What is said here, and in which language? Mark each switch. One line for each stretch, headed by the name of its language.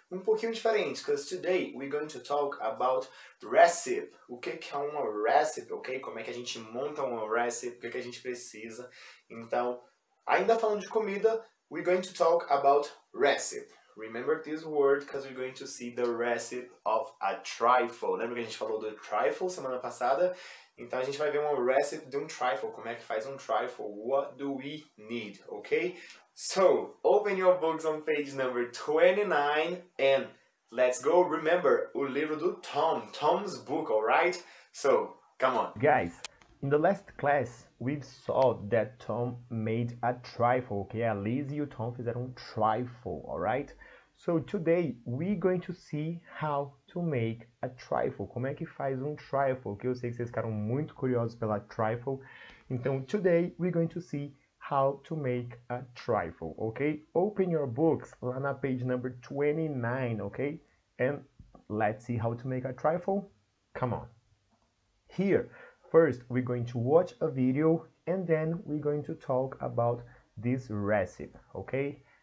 Portuguese: Um pouquinho diferente,
English: because today we're going to talk about recipe.
Portuguese: O que é uma recipe, ok? Como é que a gente monta uma recipe, o que é que a gente precisa. Então, ainda falando de comida,
English: we're going to talk about recipe. Remember this word, because we're going to see the recipe of a trifle.
Portuguese: Lembra que a gente falou do trifle semana passada? Então a gente vai ver uma recipe de um trifle. Como é que faz um trifle?
English: What do we need?
Portuguese: Ok?
English: So, open your books on page number 29 and let's go. Remember,
Portuguese: o livro do Tom.
English: Tom's book, alright? So, come on. Guys, in the last class, we saw that Tom made a trifle, okay?
Portuguese: A Liz e o Tom fizeram um trifle,
English: alright? So today, we're going to see how to make a trifle.
Portuguese: Como é que faz um trifle, okay? Eu sei que vocês ficaram muito curiosos pela trifle.
English: Então, today, we're going to see how to make a trifle, okay? Open your books
Portuguese: lá na
English: page number 29, okay? And let's see how to make a trifle. Come on. Here. First, we're going to watch a video, and then we're going to talk about this recipe, okay?